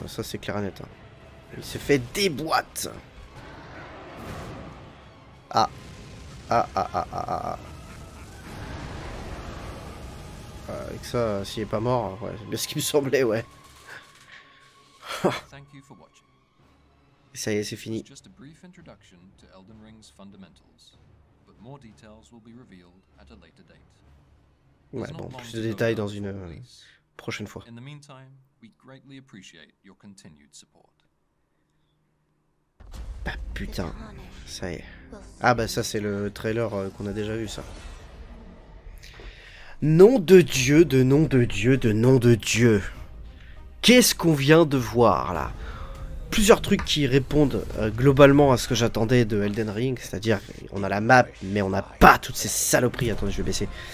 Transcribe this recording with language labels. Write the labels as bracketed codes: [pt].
[fr] Ça c'est clair et net. Hein. Il s'est fait des boîtes. Ah. Ah ah ah ah ah. Avec ça, s'il est pas mort, ouais, c'est bien ce qu'il me semblait, ouais. [en] Thank you for watching. [fr] Ça y est, c'est fini. [en] It's just a brief introduction to Elden Ring's fundamentals, but more details will be revealed at a later date. [fr] Ouais, bon, plus de détails dans une prochaine fois. [en] In the meantime, we greatly appreciate your continued support. [fr] Bah putain, ça y est. Ah bah ça c'est le trailer qu'on a déjà vu ça. Nom de Dieu, de nom de Dieu, de nom de Dieu. Qu'est-ce qu'on vient de voir là? Plusieurs trucs qui répondent globalement à ce que j'attendais de Elden Ring, c'est-à-dire on a la map, mais on n'a pas toutes ces saloperies. Attendez, je vais baisser.